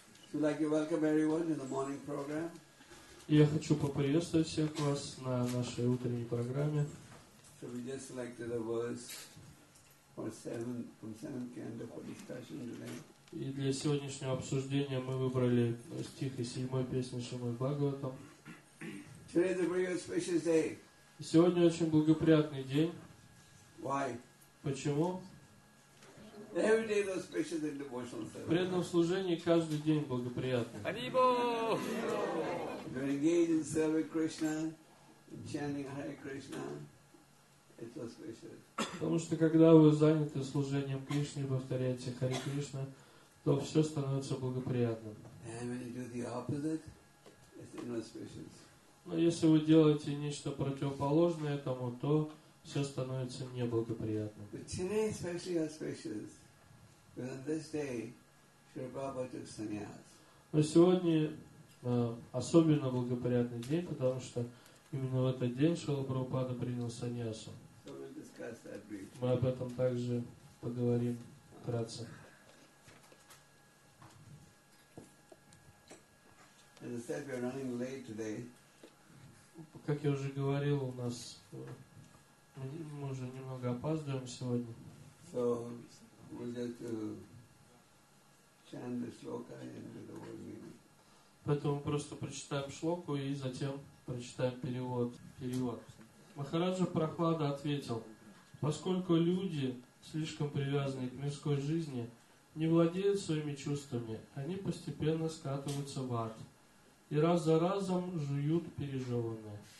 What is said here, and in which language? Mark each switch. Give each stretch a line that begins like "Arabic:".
English: Would like to welcome everyone in the morning program.
Russian: Я хочу поприветствовать всех вас на нашей утренней программе.
English: So we just selected a verse for seven from seventh canto for discussion today.
Russian: И для сегодняшнего обсуждения мы выбрали стих из седьмой песни Шримад Бхагаватам.
English: Today is a very auspicious day.
Russian: Сегодня очень благоприятный день.
English: Why?
Russian: Почему?
English: Every day is auspicious in devotional service.
Russian: В преданном служении каждый день благоприятный. Арибо!
English: You are engaged in serving Krishna, in chanting Hare Krishna. It's auspicious.
Russian: Потому что когда вы заняты служением Кришне, повторяете Hare Krishna, то все становится благоприятным.
English: And when you do the opposite, it's inauspicious.
Russian: Но если вы делаете нечто противоположное этому, то все становится неблагоприятным.
English: But today is especially auspicious, because on this day, Shri Prabhupada took sannyas.
Russian: Но сегодня особенно благоприятный день, потому что именно в этот день Шрила Прабхупада принял саньясу.
English: So we'll discuss that briefly.
Russian: Мы об этом также поговорим вкратце.
English: As I said, we're running late today.
Russian: Как я уже говорил, у нас мы уже немного опаздываем сегодня.
English: So we'll just chant the shloka and the word meaning.
Russian: Поэтому просто прочитаем шлоку и затем прочитаем перевод. Махараджа Прохлада ответил: поскольку люди слишком привязаны к мирской жизни, не владеют своими чувствами, они постепенно скатываются в ад и раз за разом жуют пережеванное.